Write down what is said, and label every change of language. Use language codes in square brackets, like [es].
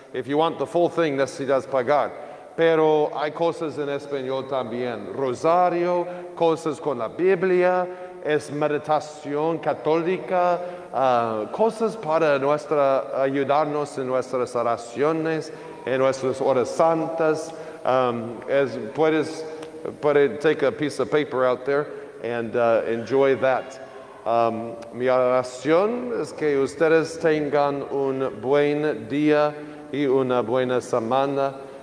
[en] If you want the full thing, [es] necesitas pagar. Pero hay cosas en español también. Rosario, cosas con la Biblia, es meditación católica, cosas para ayudarnos en nuestras oraciones, en nuestras horas santas. Puedes [en] take a piece of paper out there and enjoy that. [es] Mi oración es que ustedes tengan un buen día y una buena semana.